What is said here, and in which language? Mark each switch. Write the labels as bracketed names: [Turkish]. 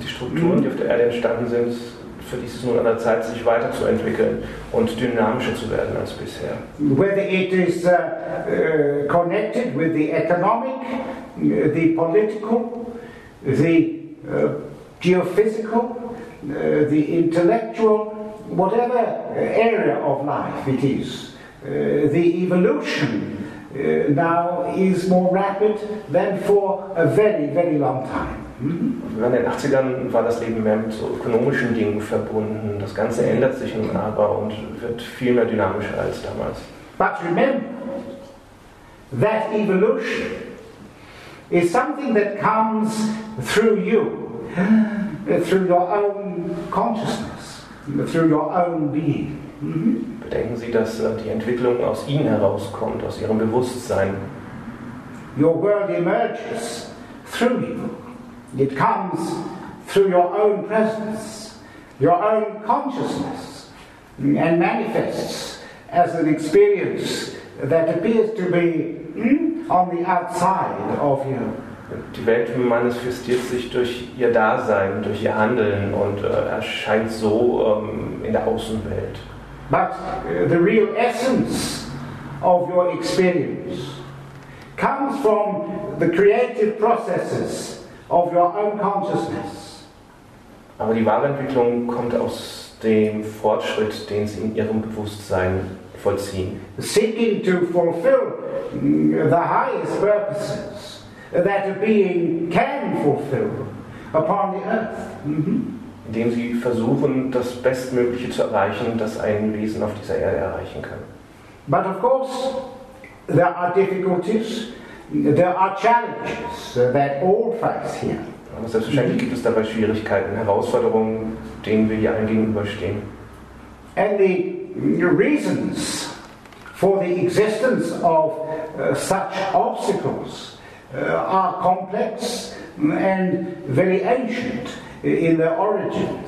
[German] Die Strukturen, die auf der Erde entstanden sind, für die ist es nun an der Zeit, sich weiterzuentwickeln und dynamischer zu werden als bisher. [English] Whether it is connected with the economic, the political, the geophysical, the intellectual, whatever area of life it is, the evolution now is more rapid than for a very, very long time. [German] In den 80ern war das Leben mehr mit so ökonomischen Dingen verbunden. Das Ganze ändert sich nun aber und wird viel mehr dynamischer als damals. [English] But remember, that evolution is something that comes through you, through your own consciousness, through your own being. [German] Bedenken Sie, dass die Entwicklung aus Ihnen herauskommt, aus Ihrem Bewusstsein. [English] Your world emerges through you. It comes through your own presence, your own consciousness, and manifests as an experience that appears to be on the outside of you. [German] Die Welt manifestiert sich durch ihr Dasein, durch ihr Handeln und erscheint so in der Außenwelt. [English] But the real essence of your experience comes from the creative processes of your own consciousness. [German] Aber die wahre Entwicklung kommt aus dem Fortschritt, den Sie in Ihrem Bewusstsein vollziehen. [English] Seeking to fulfill the highest purposes that a being can fulfill upon the earth. [German] Indem Sie versuchen, das Bestmögliche zu erreichen, das ein Wesen auf dieser Erde erreichen kann. [English] But of course, there are difficulties. There are challenges that all face here. [German] Aber selbstverständlich gibt es dabei Schwierigkeiten, Herausforderungen, denen wir hier allen gegenüberstehen. [English] And the reasons for the existence of such obstacles are complex and very ancient in their origins.